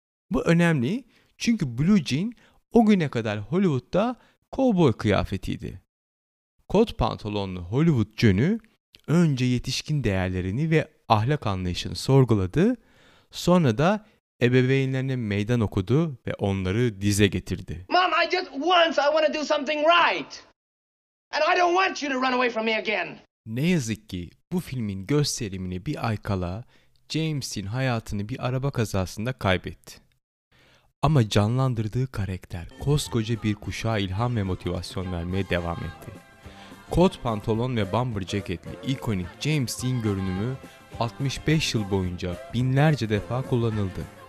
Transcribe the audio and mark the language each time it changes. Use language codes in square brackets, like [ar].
[tr] Bu önemli çünkü blue jean o güne kadar Hollywood'da kovboy kıyafetiydi. Kot pantolonlu Hollywood jönü önce yetişkin değerlerini ve ahlak anlayışını sorguladı, sonra da ebeveynlerine meydan okudu ve onları dize getirdi. [en] Mom, I just once I want to do something right. And I don't want you to run away from me again. [tr] Ne yazık ki bu filmin gösterimini bir ay kala James Dean hayatını bir araba kazasında kaybetti. Ama canlandırdığı karakter koskoca bir kuşağa ilham ve motivasyon vermeye devam etti. Kot pantolon ve bomber ceketli ikonik James Dean görünümü 65 yıl boyunca binlerce defa kullanıldı.